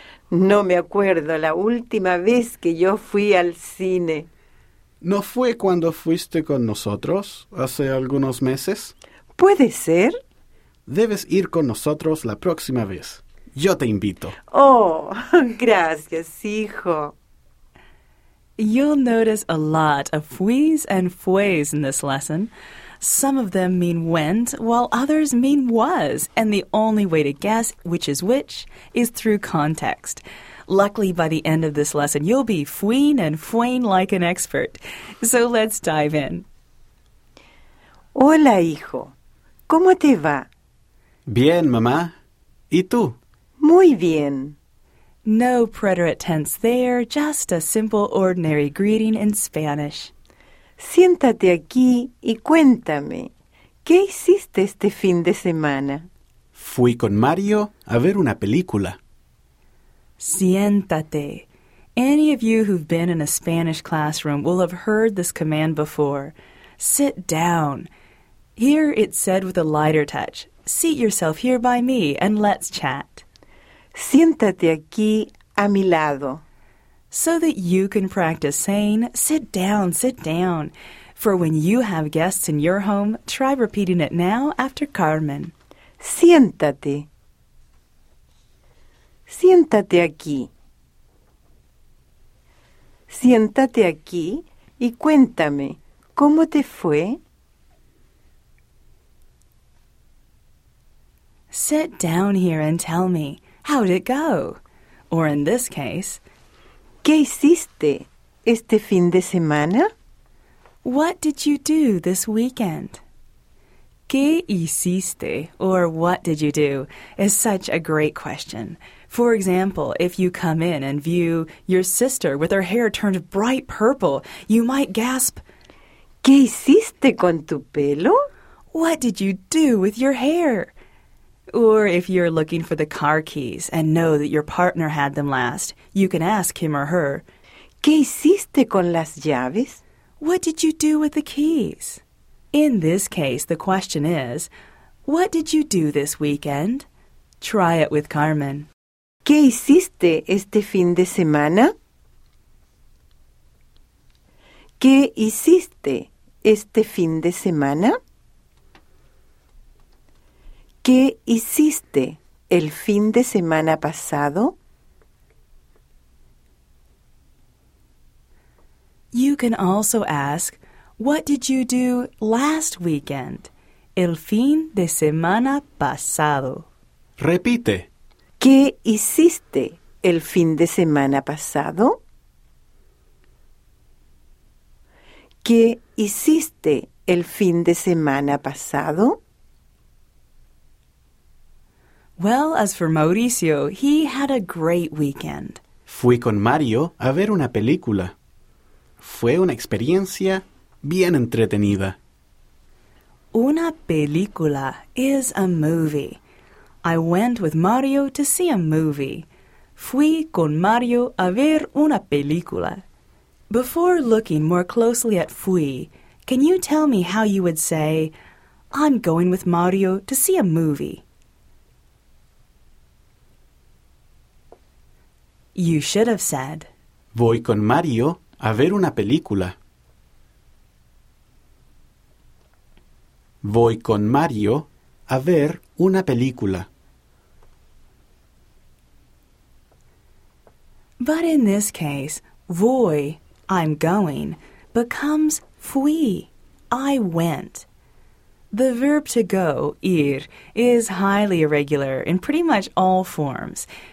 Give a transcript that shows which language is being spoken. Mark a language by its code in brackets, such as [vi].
[es] No me acuerdo la última vez que yo fui al cine. ¿No fue cuando fuiste con nosotros hace algunos meses? Puede ser. Debes ir con nosotros la próxima vez. Yo te invito. Oh, gracias, hijo. [en] You'll notice a lot of fuis and fues in this lesson. Some of them mean went, while others mean was, and the only way to guess which is through context. Luckily, by the end of this lesson, you'll be fuin and fuin like an expert. So let's dive in. [es] Hola, hijo. ¿Cómo te va? Bien, mamá. ¿Y tú? Muy bien. [en] No preterite tense there, just a simple ordinary greeting in Spanish. [es] Siéntate aquí y cuéntame, ¿qué hiciste este fin de semana? Fui con Mario a ver una película. Siéntate. [en] Any of you who've been in a Spanish classroom will have heard this command before. Sit down. Here it's said with a lighter touch. Seat yourself here by me and let's chat. [es] Siéntate aquí a mi lado. [en] So that you can practice saying, sit down, for when you have guests in your home, try repeating it now after Carmen. [es] Siéntate. Siéntate aquí. Siéntate aquí y cuéntame, ¿cómo te fue? [en] Sit down here and tell me, how'd it go? Or in this case, [es] ¿qué hiciste este fin de semana? [en] What did you do this weekend? [es] ¿Qué hiciste, [en] or what did you do, is such a great question. For example, if you come in and view your sister with her hair turned bright purple, you might gasp, [es] ¿qué hiciste con tu pelo? [en] What did you do with your hair? Or if you're looking for the car keys and know that your partner had them last, you can ask him or her, [es] ¿qué hiciste con las llaves? [en] What did you do with the keys? In this case, the question is, what did you do this weekend? Try it with Carmen. [es] ¿Qué hiciste este fin de semana? ¿Qué hiciste este fin de semana? ¿Qué hiciste el fin de semana pasado? [en] You can also ask, what did you do last weekend? [es] El fin de semana pasado. Repite. ¿Qué hiciste el fin de semana pasado? ¿Qué hiciste el fin de semana pasado? [en] Well, as for Mauricio, he had a great weekend. [es] Fui con Mario a ver una película. Fue una experiencia bien entretenida. Una película [en] is a movie. I went with Mario to see a movie. [es] Fui con Mario a ver una película. [en] Before looking more closely at fui, can you tell me how you would say, I'm going with Mario to see a movie? You should have said, [es] voy con Mario a ver una película. Voy con Mario a ver una película. [en] But in this case, voy, I'm going, becomes fui, I went. The verb to go, ir, is highly irregular in pretty much all forms.